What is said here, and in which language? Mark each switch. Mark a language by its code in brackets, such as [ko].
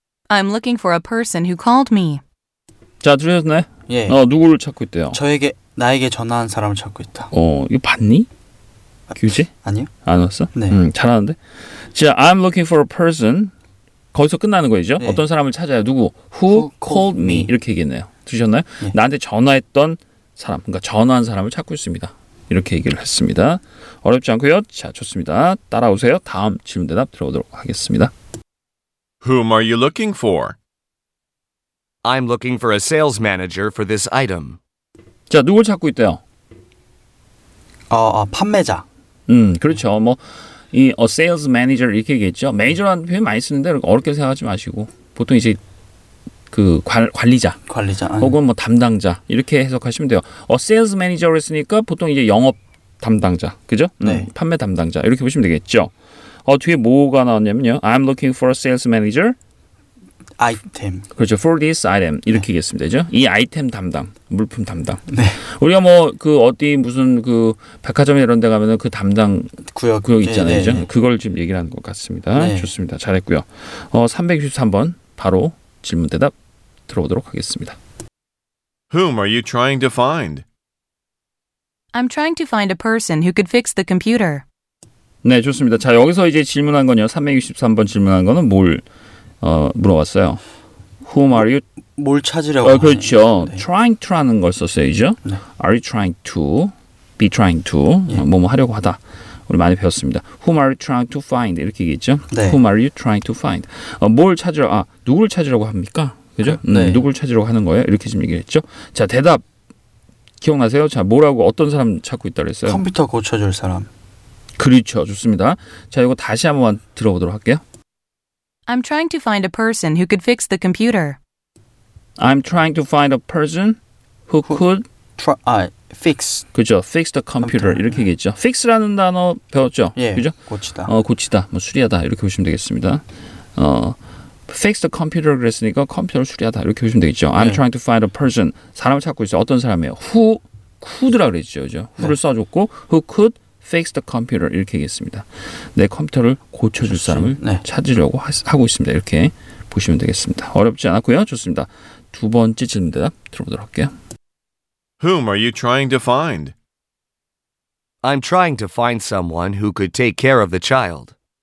[en] I'm looking for a person who called me. [ko] 자, 들으셨나요? 예. 누구를 찾고 있대요? 저에게 나에게 전화한 사람을 찾고 있다. 이거 봤니? 규제? 아니요. 안 왔어? 네. 잘하는데. 자, [en] I'm looking for a person [ko] 거기서 끝나는 거죠. 네. 어떤 사람을 찾아요. 누구? [en] Who called me? [ko] 이렇게 얘기했네요. 들으셨나요? 네. 나한테 전화했던 사람. 그러니까 전화한 사람을 찾고 있습니다. 이렇게 얘기를 했습니다. 어렵지 않고요. 자, 좋습니다. 따라오세요. 다음 질문 대답 들어보도록 하겠습니다. [en] Whom are you looking for? I'm looking for a sales manager for this item. [ko] 자, 누굴 찾고 있대요? 판매자. 그렇죠. 네. 뭐 이 [en] a sales manager [ko] 이렇게 얘기했죠. 매니저라는 표현 많이 쓰는데 어렵게 생각하지 마시고 보통 이제 그 관리자 혹은 뭐 담당자 이렇게 해석하시면 돼요. [en] a sales manager [ko] 했으니까 보통 이제 영업 담당자 그죠? 네. 판매 담당자 이렇게 보시면 되겠죠. 뒤에 뭐가 나왔냐면요. [en] I'm looking for a sales manager item. [ko] 그렇죠. [en] For this item [ko] 이렇게 얘기했습니다. 네. 이 아이템 담당, 물품 담당. 네. 우리가 뭐 그 어디 무슨 그 백화점 이런 데 가면은 그 담당 구역 있잖아요. 네, 그죠? 네. 그걸 지금 얘기를 하는 것 같습니다. 네. 좋습니다. 잘했고요. 363번 바로 질문 대답 들어보도록 하겠습니다. [en] Whom are you trying to find? I'm trying to find a person who could fix the computer. [ko] 네, 좋습니다. 자, 여기서 이제 질문한 거는요. 363번 질문한 거는 뭘 물어봤어요. [en] Whom are you? [ko] 뭘 찾으려고? 그렇죠. 네. Trying to라는 걸 썼어요, 이죠? 네. [en] Are you trying to? Be trying to? [ko] 예. 뭐뭐 하려고 하다. 우리 많이 배웠습니다. [en] Whom are you trying to find? [ko] 이렇게 얘기했죠. 네. [en] Whom are you trying to find? [ko] 뭘 찾으러, 아, 누굴 찾으려고 합니까? 그죠? 네. 누굴 찾으려고 하는 거예요? 이렇게 지금 얘기했죠. 자, 대답 기억나세요? 자, 뭐라고 어떤 사람 찾고 있다고 했어요? 컴퓨터 고쳐줄 사람. 그렇죠. 좋습니다. 자, 이거 다시 한 번만 들어보도록 할게요. [en] I'm trying to find a person who could fix the computer. I'm trying to find a person who could fix. [ko] 그죠? [en] Fix the computer [ko] 이렇게 얘기했죠. Fix라는 단어 배웠죠? 예. 그죠? 고치다. 고치다. 뭐 수리하다. 이렇게 보시면 되겠습니다. [en] Fix the computer [ko] 그랬으니까 컴퓨터를 수리하다. 이렇게 보시면 되겠죠. I'm 네. [en] trying to find a person. [ko] 사람을 찾고 있어요. 어떤 사람이에요? Who could라 그랬죠. 그죠? Who를 네. 써 줬고 [en] who could fix the computer [ko] 이렇게 얘기했습니다. 내 컴퓨터를 고쳐 줄 사람을 네. 찾으려고 하고 있습니다. 이렇게 보시면 되겠습니다. 어렵지 않았고요. 좋습니다. 두 번째 질문 대답 들어보도록 할게요. [en] Whom are you trying to find? I'm trying to find someone who could take care of the child.